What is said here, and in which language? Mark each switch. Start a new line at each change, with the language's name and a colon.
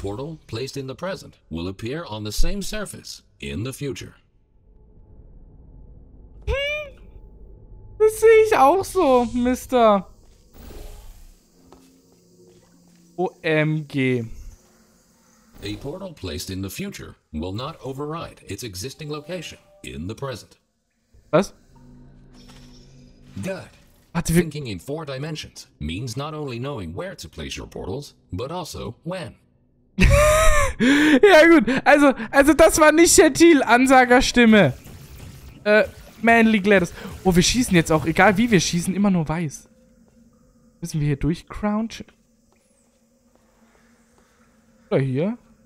English: A portal placed in the present will appear on the same surface in the future.
German: Das sehe ich auch so, Mister.
English: OMG. A portal placed in the future will not override its existing location in the present.
German: Was?
English: Good. Thinking in four dimensions means not only knowing where to place your portals, but also when.
German: Ja gut, also das war nicht der Deal, Ansagerstimme. Manly Gladys. Oh, wir schießen jetzt auch, egal wie wir schießen, immer nur weiß. Müssen wir hier durchcrouchen? Oder hier?